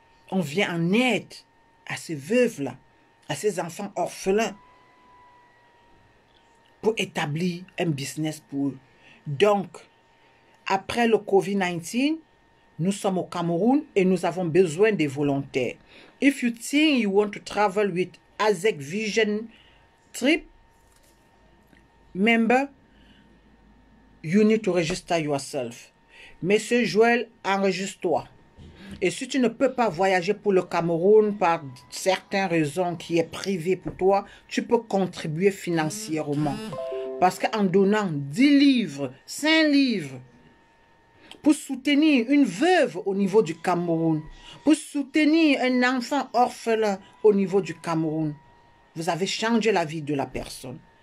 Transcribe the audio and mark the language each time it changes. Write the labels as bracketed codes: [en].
[fr] On vient en aide à ces veuves-là, à ces enfants orphelins, pour établir un business pour eux. Donc, après le COVID-19, nous sommes au Cameroun et nous avons besoin des volontaires. [en] If you think you want to travel with AZEC Vision Trip member, you need to register yourself. [fr] Monsieur Joël, enregistre-toi. Et si tu ne peux pas voyager pour le Cameroun par certaines raisons qui est privées pour toi, tu peux contribuer financièrement. Parce qu'en donnant 10 livres, 5 livres, pour soutenir une veuve au niveau du Cameroun, pour soutenir un enfant orphelin au niveau du Cameroun, vous avez changé la vie de la personne.